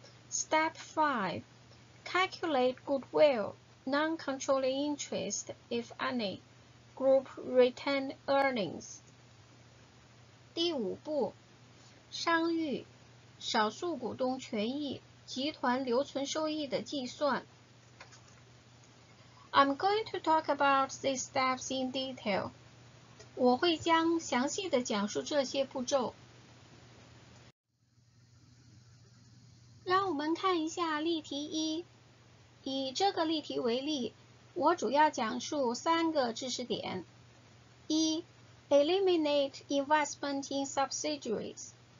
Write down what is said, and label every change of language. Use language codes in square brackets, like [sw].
[en] Step 5. Calculate goodwill, non-controlling interest, if any, group retained earnings. [zh] 第五步，商誉、少数股东权益、集团留存收益的计算。 [en] I'm going to talk about these steps in detail. [zh] 我会将详细的讲述这些步骤。让我们看一下例题一。以这个例题为例，我主要讲述三个知识点。 [en] 一、Eliminate investment in subsidiaries.